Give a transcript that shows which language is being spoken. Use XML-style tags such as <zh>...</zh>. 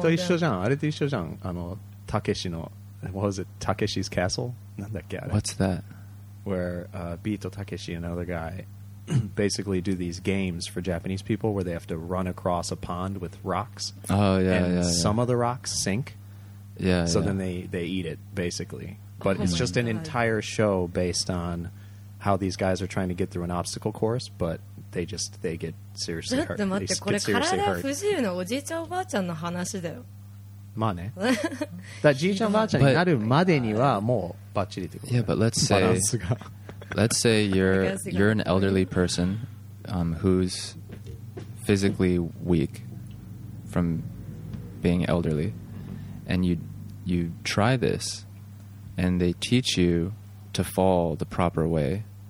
<ja>ちょっと見てみたいね。いや、動画見てみたく、いや、ひど。見たくなくない？おじいちゃんおばあちゃんが。いや、あれと一緒じゃん。あれと一緒じゃん。あの、たけしの</ja> <en>what was it?</en> <ja>Takeshi's Castle? なんだっけあれ?</ja> <en>What's that? Where Beat or Takeshi and another guy basically do these games for Japanese people where they have to run across a pond with rocks. Oh, yeah, some of the rocks sink. Yeah. So then they eat it basically. But it's just an entire show based on how these guys are trying to get through an obstacle course, but they get seriously hurt.</en> <ja>だって待って、これ体不自由なおじいちゃんおばあちゃんの話だよ。まあね。だからじいちゃんばあちゃんになるまでにはもうバッチリってこと。</ja> <en>Yeah, but let's say you're an elderly person who's physically weak from being elderly, and you try this. And they teach you to fall the proper way.</en>